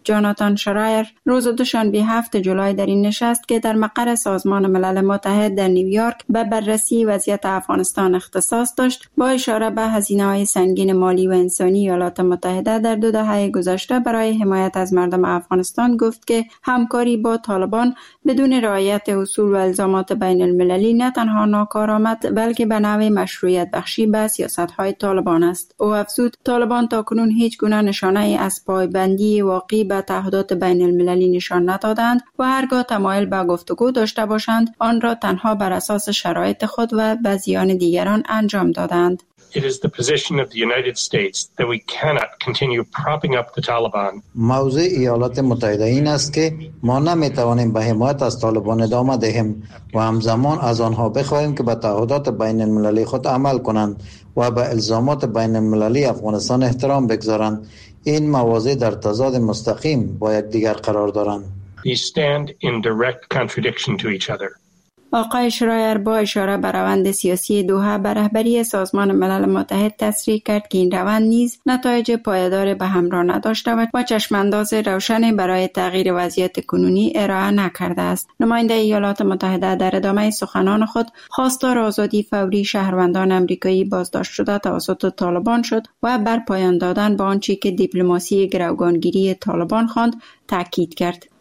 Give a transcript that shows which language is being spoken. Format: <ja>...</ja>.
<fa>جاناتان شرایر روز دوشنبه 7 جولای در این نشست که در مقر سازمان ملل متحد در نیویورک به بررسی وضعیت افغانستان اختصاص داشت، با اشاره به هزینه‌های سنگین مالی و انسانی ایالات متحده در دو دهه گذشته برای حمایت از مردم افغانستان، گفت که همکاری با طالبان بدون رعایت اصول و الزامات بین المللی نه تنها ناکارآمد بلکه به نوع مشروعیت بخشی به سیاست‌های طالبان است. او افزود: طالبان تاکنون هیچ گونه نشانه ای از پایبندی واقعی به تعهدات بین المللی نشان ندادند و هرگاه تمایل به گفتگو داشته باشند آن را تنها بر اساس شرایط خود و به زیان دیگران انجام دادند.</fa> <en>It is the position of the United States that we cannot continue propping up the Taliban.</en> <fa>موضع ایالات متحده این است که ما نمیتوانیم به حمایت از طالبان ادامه دهیم و همزمان از آنها بخواهیم که به تعهدات بین المللی خود عمل کنند و به الزامات بین المللی افغانستان احترام بگذارند. این موضع در تضاد مستقیم با یک دیگر قرار دارند.</fa> <en>They stand in direct contradiction to each other.</en> <fa>آقای شرایر با اشاره به روند سیاسی دوحه به رهبری سازمان ملل متحد تصریح کرد که این روند نیز نتایج پایدار به همراه نداشته و چشمانداز روشنی برای تغییر وضعیت کنونی ارائه نکرده است. نماینده ایالات متحده در ادامه سخنان خود خواستار آزادی فوری شهروندان آمریکایی بازداشت شده توسط طالبان شد و بر پایان دادن به آنچه که دیپلماسی گروگانگیری طالبان خواند تاکید کرد.</fa>